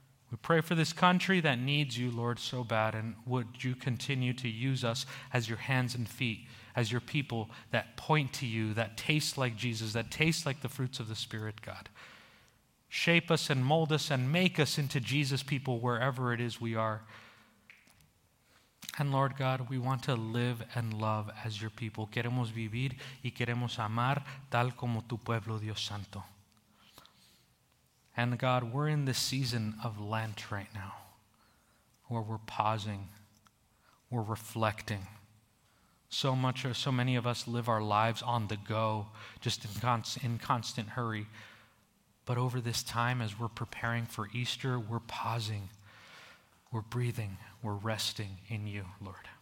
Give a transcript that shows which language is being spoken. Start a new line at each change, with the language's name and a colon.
English: We pray for this country that needs you, Lord, so bad, and would you continue to use us as your hands and feet, as your people that point to you, that taste like Jesus, that taste like the fruits of the Spirit, God. Shape us and mold us and make us into Jesus people wherever it is we are. And Lord God, we want to live and love as your people.
Spanish: Queremos vivir y queremos amar tal como tu pueblo, Dios Santo.
English: And God, we're in this season of Lent right now, where we're pausing, we're reflecting. So many of us live our lives on the go, just in constant hurry. But over this time, as we're preparing for Easter, we're pausing, we're breathing, we're resting in you, Lord.